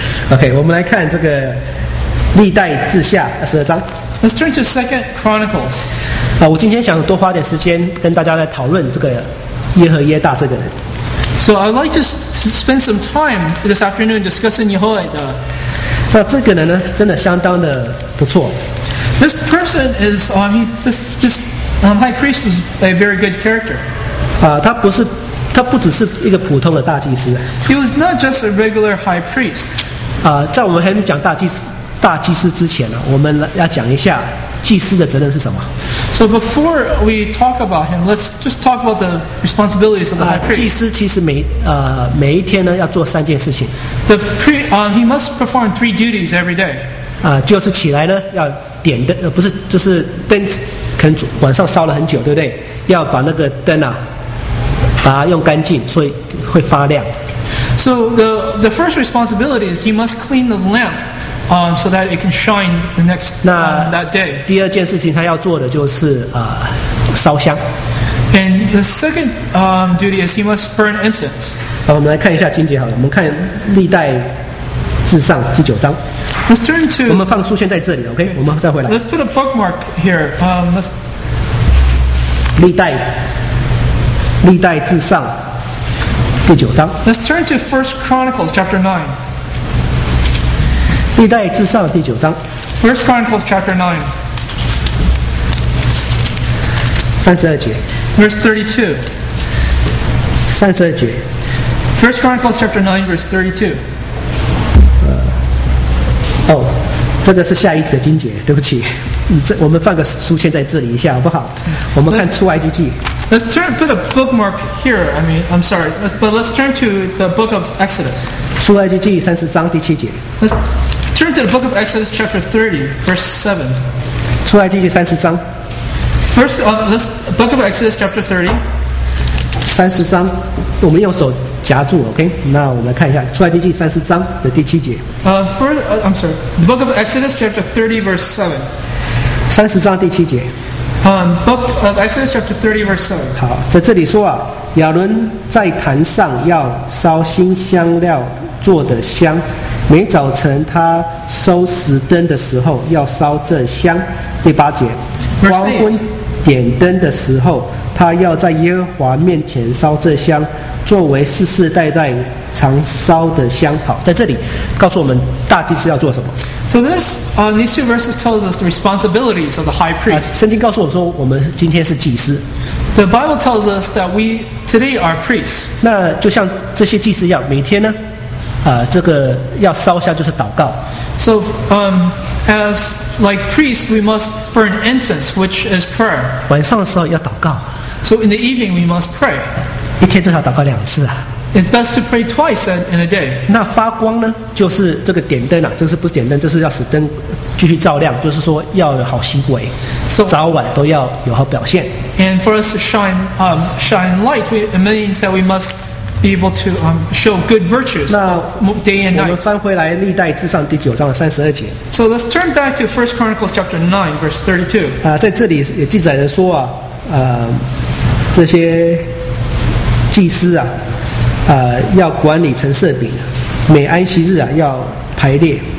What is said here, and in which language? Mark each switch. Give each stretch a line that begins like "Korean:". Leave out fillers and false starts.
Chinese: Okay, 我们来看这个历代志下十二章。
English: Let's turn to Second Chronicles.
Chinese: 我今天想多花点时间跟大家来讨论这个耶和耶大这个人。
English: So I'd like to spend some time this afternoon discussing Jehoiada.
Chinese: 那这个人呢，真的相当的不错。
English: This person is, this high priest was a very good character.
Chinese: 他不只是一个普通的大祭司。
English: He was not just a regular high priest.
Chinese: 在我们还没讲大祭司之前呢，我们要讲一下祭司的责任是什么。
English: So before we talk about him, let's just talk about the responsibilities of the high priest.
Chinese: 祭司其实每一天呢要做三件事情。
English: The priest, he must perform three duties every day.
Chinese: 就是起来呢要点灯，不是就是灯，可能晚上烧了很久，对不对？要把那个灯啊，把它用干净，所以会发亮。
English: So the first responsibility is he must clean the lamp, so that it can shine the next that day.
Chinese: 第二件事情他要做的就是烧香。
English: And the second duty is he must burn incense.
Chinese: 好，我们来看一下经节好了，我们看历代志上第九章。
English: Let's turn to.
Chinese: 我们放书先在这里 ，OK？我们再回来。
English: Let's put a bookmark here. Let's.
Chinese: 历代志上第九章。
English: Let's turn to First Chronicles chapter 9.
Chinese: 历代志上第九章。
English: First Chronicles chapter 9.
Chinese: 三十二节。
English: Verse 32.
Chinese: 三十二节。
English: First Chronicles chapter 9, verse 32.
Chinese: 哦，这个是下一个经节，对不起，我们放个书签在这里一下好不好？我们看出埃及记。
English: Let's turn, put a bookmark here. I mean, I'm sorry, but let's turn to the book of Exodus.
Chinese: 出埃及记三十章第七节。
English: Let's turn to the book of Exodus chapter 30, verse 7.
Chinese: 出埃及记三十章。
English: First, let's book of Exodus chapter 30.
Chinese: 三十章，我们用手。夹住 ，OK。那我们来看一下《出埃及记》三十章的第七节。
English: I'm sorry. The book of Exodus, chapter 30, verse 7.
Chinese: 三十章第七节。
English: Book of Exodus, chapter 30, verse 7.
Chinese: 好，在这里说啊，亚伦在坛上要烧新香料做的香，每早晨他收拾灯的时候要烧这香。第八节，黄昏点灯的时候，他要在耶和华面前烧这香。作为世世代代常烧的香，好，在这里告诉我们大祭司要做什么。
English: So this, these two verses tells us the responsibilities of the high priest.
Chinese: 圣经告诉我说，我们今天是祭司。
English: The Bible tells us that we today are priests.
Chinese: 那就像这些祭司一样，每天呢，这个要烧香就是祷告。
English: So, as like priests, we must burn incense, which is prayer.
Chinese: 晚上的时候要祷告。
English: So in the evening, we must pray.
Chinese: 一天最好祷告两次啊。
English: It's best to pray twice in a day.
Chinese: 那发光呢，就是这个点灯啊，就是不是点灯，就是要使灯继续照亮，就是说要有好行为，
English: so,
Chinese: 早晚都要有好表现。
English: And for us to shine, shine light, it means that we must be able to, show good virtues day and night.
Chinese: 那我们翻回来历代志上第九章的三十二节。
English: So let's turn back to First Chronicles chapter 9, verse 32.
Chinese: 在这里也记载着说啊，这些。祭司啊，要管理陈设饼，每安息日啊要排列。